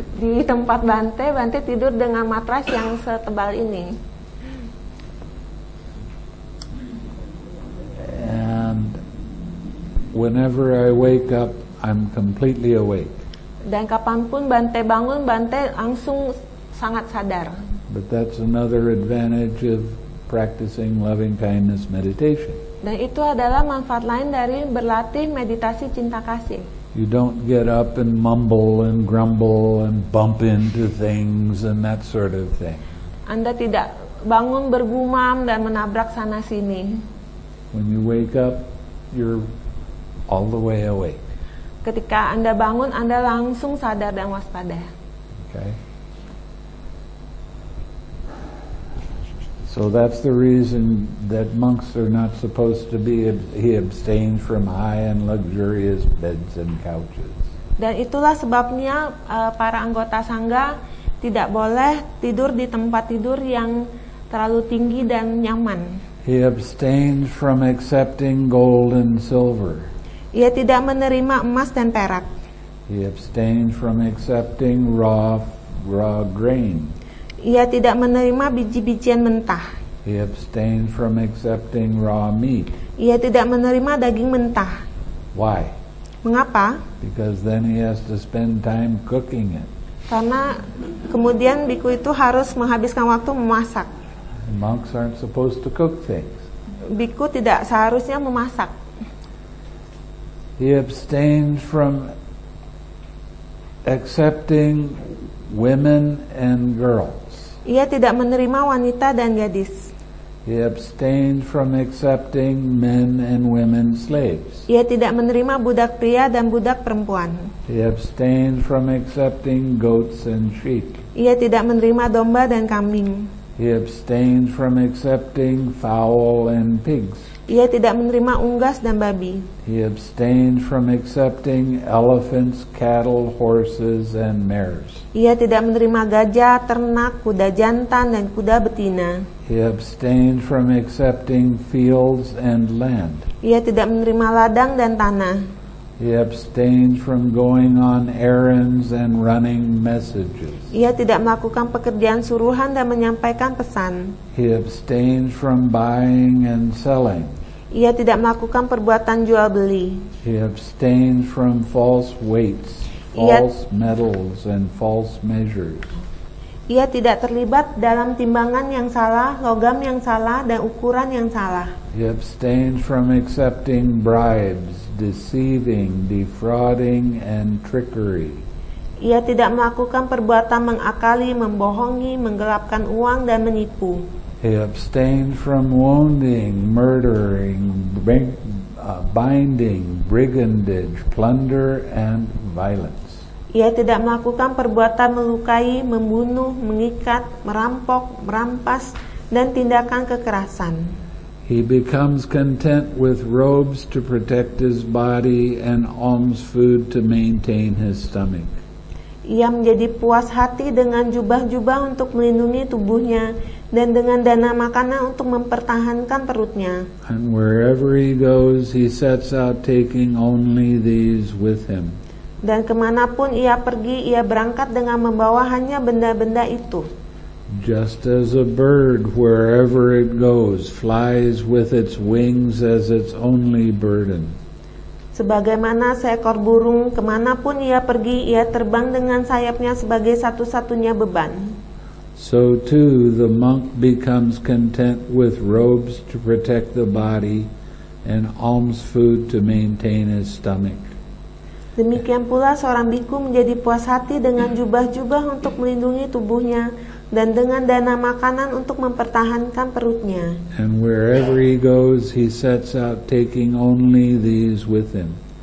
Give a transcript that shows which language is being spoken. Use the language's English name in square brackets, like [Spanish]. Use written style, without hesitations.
[Indonesian] Di tempat bantai tidur dengan matras yang setebal ini. [English] And whenever I wake up, I'm completely awake. [Indonesian] Dan kapanpun bantai bangun, bantai langsung sangat sadar. [English] But that's another advantage of practicing loving kindness meditation. [Indonesian] Dan itu adalah manfaat lain dari berlatih meditasi cinta kasih. [English] You don't get up and mumble and grumble and bump into things and that sort of thing. [Indonesian] Anda tidak bangun bergumam dan menabrak sana sini. [English] When you wake up, you're all the way awake. [Indonesian] Ketika Anda bangun, Anda langsung sadar dan waspada. [English] Okay. So that's the reason that monks are not supposed to be abstained from high and luxurious beds and couches. [Indonesian] Dan itulah sebabnya para anggota sangha tidak boleh tidur di tempat tidur yang terlalu tinggi dan nyaman. [English] He abstains from accepting gold and silver. [Indonesian] Ia tidak menerima emas dan perak. [English] He abstains from accepting raw grain. [Indonesian] Ia tidak menerima biji-bijian mentah. [English] He abstains from accepting raw meat. [Indonesian] Ia tidak menerima daging mentah. [English] Why? [Indonesian] Mengapa? [English] Because then he has to spend time cooking it. [Indonesian] Karena kemudian bhikkhu itu harus menghabiskan waktu memasak. [English] Monks aren't supposed to cook things. [Indonesian] Bhikkhu tidak seharusnya memasak. [English] He abstains from accepting women and girls. [Indonesian] Ia tidak menerima wanita dan gadis. [English] He abstains from accepting men and women slaves. [Indonesian] Ia tidak menerima budak pria dan budak perempuan. [English] He abstains from accepting goats and sheep. [Indonesian] Ia tidak menerima domba dan kambing. [English] He abstains from accepting fowl and pigs. [Indonesian] Ia tidak menerima unggas dan babi. [English] He abstains from accepting elephants, cattle, horses, and mares. [Indonesian] Ia tidak menerima gajah, ternak, kuda jantan, dan kuda betina. [English] He abstains from accepting fields and land. [Indonesian] Ia tidak menerima ladang dan tanah. [English] He abstains from going on errands and running messages. [Indonesian] Ia tidak melakukan pekerjaan suruhan dan menyampaikan pesan. [English] He abstains from buying and selling. [Indonesian] Ia tidak melakukan perbuatan jual beli. [English] He abstains from false weights, false metals, and false measures. [Indonesian] Ia tidak terlibat dalam timbangan yang salah, logam yang salah, dan ukuran yang salah. [English] He abstains from accepting bribes, deceiving, defrauding, and trickery. [Indonesian] Ia tidak melakukan perbuatan mengakali, membohongi, menggelapkan uang, dan menipu. [English] He abstains from wounding, murdering, binding, brigandage, plunder, and violence. [Indonesian] Ia tidak melakukan perbuatan melukai, membunuh, mengikat, merampok, merampas, dan tindakan kekerasan. [English] He becomes content with robes to protect his body and alms food to maintain his stomach. [Indonesian] Ia menjadi puas hati dengan jubah-jubah untuk melindungi tubuhnya dan dengan dana makanan untuk mempertahankan perutnya. [English] And wherever he goes, he sets out taking only these with him. [Indonesian] Dan kemanapun ia pergi, ia berangkat dengan membawa hanya benda-benda itu. [English] Just as a bird, wherever it goes, flies with its wings as its only burden. [Indonesian] Sebagaimana seekor burung, kemanapun ia pergi, ia terbang dengan sayapnya sebagai satu-satunya beban. [English] So too, the monk becomes content with robes to protect the body and alms food to maintain his stomach. [Indonesian] Demikian pula seorang bhikkhu menjadi puas hati dengan jubah-jubah untuk melindungi tubuhnya dan dengan dana makanan untuk mempertahankan perutnya. [English] And wherever he goes, he sets out taking only these with him.